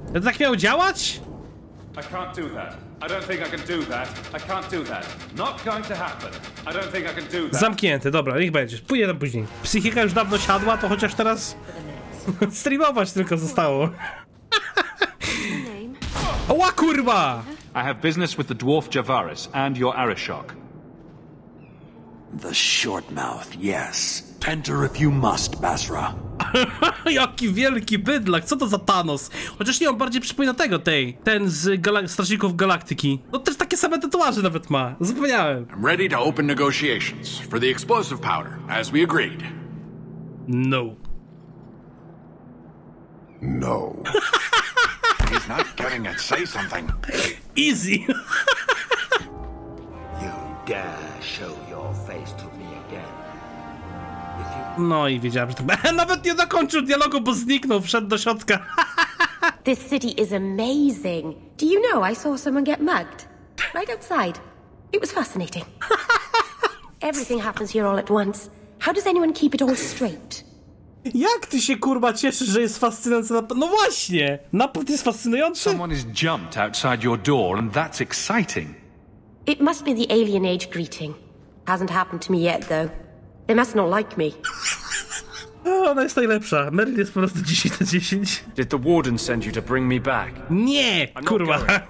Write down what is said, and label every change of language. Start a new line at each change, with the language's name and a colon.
Polish: Ja to tak miał działać?
English: I can't do that. I don't think I can do that. I can't do that. Not going to happen. I don't think I can do that.
Polish: Zamknięty, dobra, niech będzie. Pójdę tam później. Psychika już dawno siadła, to chociaż teraz... streamować tylko zostało. Oła kurwa!
English: I have business with the dwarf Javaris and your Arishok. The short mouth, yes. Enter if you must, Basra.
Polish: Jaki wielki bydlak, co to za Thanos? Chociaż nie, on bardziej przypomina tego, tej. Ten z Strażników Galaktyki. No też takie same tatuaże nawet ma, zapomniałem.
English: I'm ready to open negotiations for the explosive powder, as we agreed. No. No. He's not getting it, say something. Easy. You dare show your face to me again.
Polish: No i wiedziałem, że to... Nawet nie dokończył dialogu, bo zniknął, wszedł do środka.
English: This city is amazing. Do you know I saw someone get mugged? Right outside. It was fascinating. Everything happens here all at once. How does anyone keep it all straight?
Polish: Jak ty się kurwa cieszysz, że jest fascynujący napad? No właśnie! Napad jest fascynujący!
English: Someone has jumped outside your door and that's exciting. It must be the alien age greeting. Hasn't happened to me yet though. They must not like me.
Polish: No, ona jest najlepsza. Meryl jest po prostu 10 na 10.
English: Did the warden send you to bring me back?
Polish: Nie, kurwa.